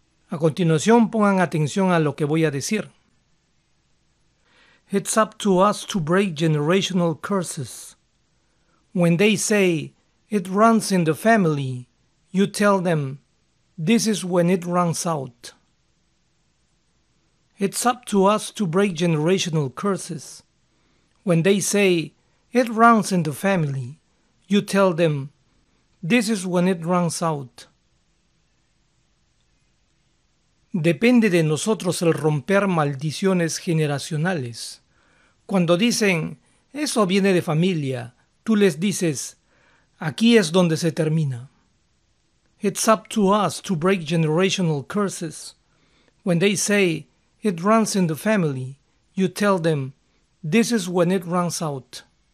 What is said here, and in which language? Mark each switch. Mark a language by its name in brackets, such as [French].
[Spanish] A continuación, pongan atención a lo que voy a decir. [English] It's up to us to break generational curses. When they say, it runs in the family, you tell them, this is when it runs out. It's up to us to break generational curses. When they say, it runs in the family, you tell them, this is when it runs out. [Spanish] Depende de nosotros el romper maldiciones generacionales. Cuando dicen, eso viene de familia, tú les dices, aquí es donde se termina. [English] It's up to us to break generational curses. When they say, it runs in the family, you tell them, this is when it runs out.